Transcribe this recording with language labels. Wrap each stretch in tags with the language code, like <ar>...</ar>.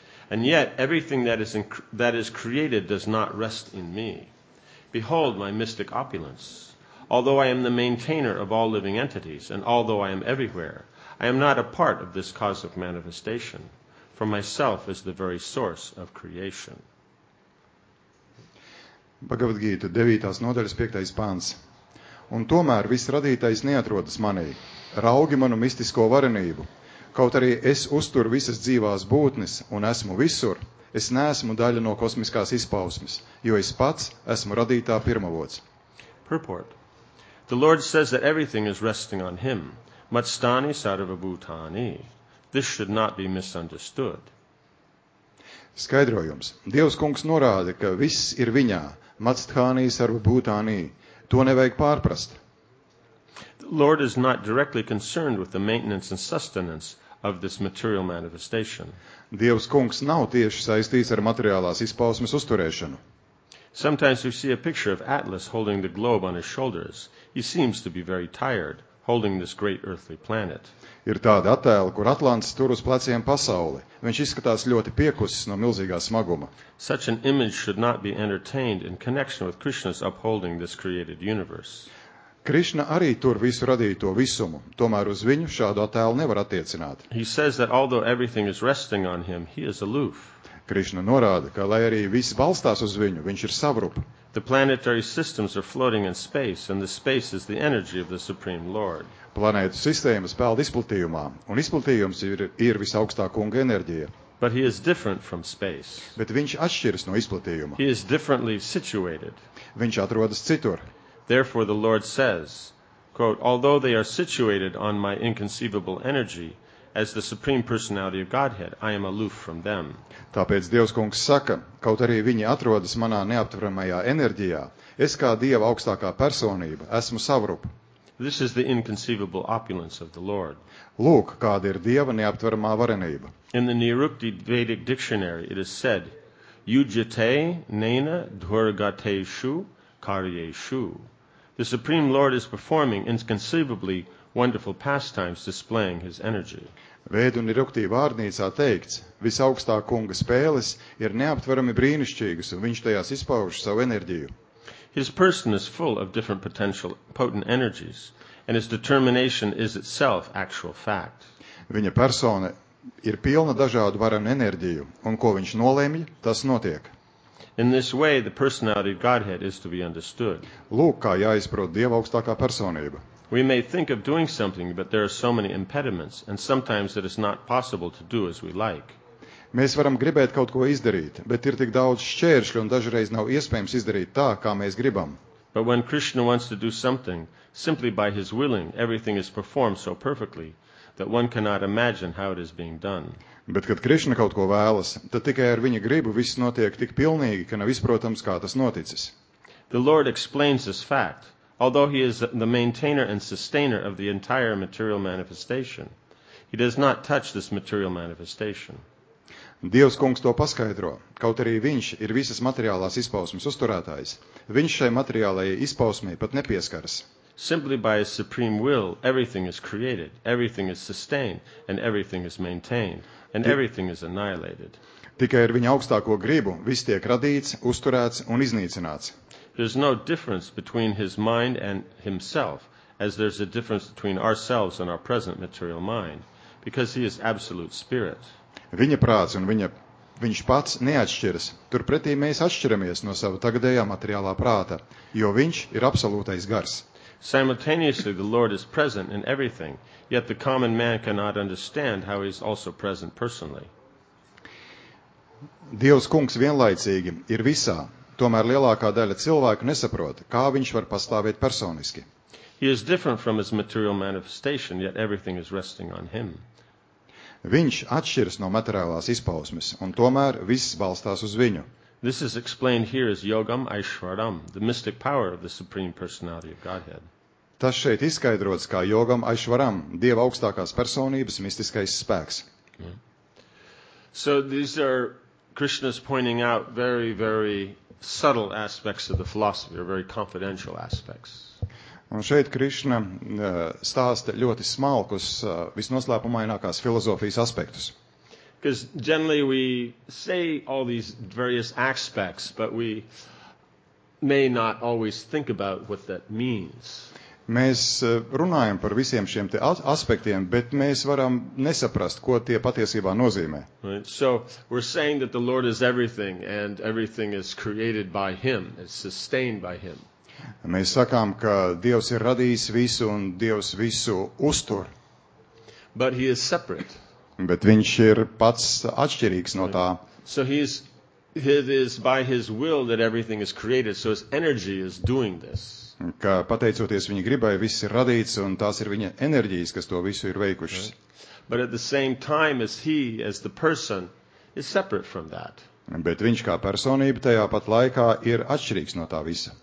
<en>And yet everything that is created does not rest in me. Behold my mystic opulence. Although I am the maintainer of all living entities, and although I am everywhere, I am not a part of this cosmic manifestation, for myself is the very source of creation.</en> <lv>Bhagavad Gita, 9. nodaļas 5. pāns. Un tomēr viss radītais neatrodas manī, raugi manu mistisko varenību. Kaut arī es uzturu visas dzīvās būtnes un esmu visur, es neesmu daļa no kosmiskās izpausmes, jo es pats esmu radītā pirmavots.</lv> <en>Purport. The Lord says that everything is resting on him,</en> <sa>matstani sarva bhutani.</sa> <en>This should not be misunderstood.</en> <lv>Skaidrojums. Dievs kungs norāda, ka viss ir viņā,</lv> <sa>matstani sarva bhutani.</sa> <lv>To nevajag pārprast.</lv> <en>The Lord is not directly concerned with the maintenance and sustenance of this material manifestation.</en> <lv>Dievs kungs nav tieši saistīts ar materiālās izpausmes uzturēšanu.</lv> <en>Sometimes we see a picture of Atlas holding the globe on his shoulders. He seems to be very tired, holding this great earthly planet.</en> <lv>Ir tāda attēla, kur Atlants tur uz pleciem pasauli. Viņš izskatās ļoti piekusis no milzīgā smaguma.</lv> <en>Such an image should not be entertained in connection with Krishna's upholding this created universe.</en> <lv>Krishna arī tur visu radīto visumu, tomēr uz viņu šādu attēlu nevar attiecināt.</lv> <en>He says that although everything is resting on him, he is aloof.</en> <lv>Krishna norāda, ka lai arī viss balstās uz viņu, viņš ir savrup.</lv> <en>The planetary systems are floating in space, and the space is the energy of the Supreme Lord.</en> <lv>Planētu sistēmas peld izplatījumā, un izplatījums ir visaugstā kunga enerģija.</lv> <en>But he is different from space.</en> <lv>Bet viņš atšķiras no izplatījuma.</lv> <en>He is differently situated.</en> <lv>Viņš atrodas citur.</lv> <en>Therefore the Lord says, quote, although they are situated on my inconceivable energy, as the supreme personality of Godhead, I am aloof from them.</en> <lv>Tāpēc Dievs kungs saka, kaut arī viņi atrodas manā neaptveramajā enerģijā, es kā Dieva augstākā personība esmu savrup.</lv> <en>This is the inconceivable opulence of the Lord.</en> <lv>Lūk, kāda ir Dieva neaptveramā varenība.</lv> <en>In the Nirukti Vedic dictionary, it is said,</en> <sa>Yujate nena dhurgateshu karyeshu.</sa> <en>The Supreme Lord is performing inconceivably wonderful pastimes displaying his energy.</en> <lv>Vēdu Nirukti vārdnīcā teikts, visaugstā kunga spēles ir neaptverami brīnišķīgas, un viņš tajās izpauž savu enerģiju.</lv> <en>His person is full of different potential potent energies, and his determination is itself actual fact.</en> <lv>Viņa persona ir pilna dažādu varenu enerģiju, un ko viņš nolēmj, tas notiek.</lv> <en>In this way, the personality of Godhead is to be understood.</en> <lv>Lūk, kā jāizprot Dieva augstākā personība.</lv> <en>We may think of doing something, but there are so many impediments, and sometimes it is not possible to do as we like.</en> <lv>Mēs varam gribēt kaut ko izdarīt, bet ir tik daudz šķēršļu un dažreiz nav iespējams izdarīt tā, kā mēs gribam.</lv> <en>But when Krishna wants to do something, simply by his willing, everything is performed so perfectly that one cannot imagine how it is being done.</en> <lv>Bet kad Krišna kaut ko vēlas, tad tikai ar viņa gribu viss notiek tik pilnīgi, ka nav izprotams, kā tas noticis.</lv> <en>The Lord explains this fact, although he is the maintainer and sustainer of the entire material manifestation. He does not touch this material manifestation.</en> <lv>Dievs kungs to paskaidro, kaut arī viņš ir visas materiālās izpausmes uzturētājs, viņš šai materiālajai izpausmei pat nepieskaras.</lv> <en>Simply by his supreme will, everything is created, everything is sustained, and everything is maintained, and everything is annihilated.</en> <lv>Tikai ar viņa augstāko gribu viss tiek radīts, uzturēts un iznīcināts.</lv> <en>There's no difference between his mind and himself, as there's a difference between ourselves and our present material mind, because he is absolute spirit.</en> <lv>Viņa prāts un viņš pats neatšķiras, turpretī mēs atšķiramies no sava tagadējā materiālā prāta, jo viņš ir absolūtais gars.</lv> <en>Simultaneously, the Lord is present in everything, yet the common man cannot understand how he is also present personally.</en> <lv>Dievs kungs vienlaicīgi ir visā, tomēr lielākā daļa cilvēku nesaprot, kā viņš var pastāvēt personiski.</lv> <en>He is different from his material manifestation, yet everything is resting on him.</en> <lv>Viņš atšķiras no materiālās izpausmes, un tomēr viss balstās uz viņu.</lv> <en>This is explained here as Yogam Aishvaram, the mystic power of the Supreme Personality of Godhead.</en> <lv>Tas šeit izskaidrots kā Yogam Aishvaram, Dieva augstākās personības mistiskais spēks.</lv> <en>So these are Krishna's pointing out very, very subtle aspects of the philosophy, or very confidential aspects.</en> <lv>Un šeit Krišna stāsta ļoti smalkus, visnoslēpumainākās filozofijas aspektus.</lv> <en>Because generally we say all these various aspects, but we may not always think about what that means.</en> <lv>Mēs runājam par visiem šiem te aspektiem, bet mēs varam nesaprast, ko tie patiesībā nozīmē.</lv> <en>Right. So we're saying that the Lord is everything, and everything is created by him, it's sustained by him.</en> <lv>Mēs sakām, ka Dievs ir radījis visu un Dievs visu uztur.</lv> <en>But he is separate.</en> <lv>Bet viņš ir pats atšķirīgs no tā.</lv> <en>So it is by his will that everything is created, so his energy is doing this.</en> <lv>Ka pateicoties viņa gribai, viss ir radīts un tās ir viņa enerģijas, kas to visu ir veikušas.</lv> <en>Right. But at the same time as he, as the person, is separate from that.</en> <lv>Bet viņš kā personība tajā pat laikā ir atšķirīgs no tā visa.</lv>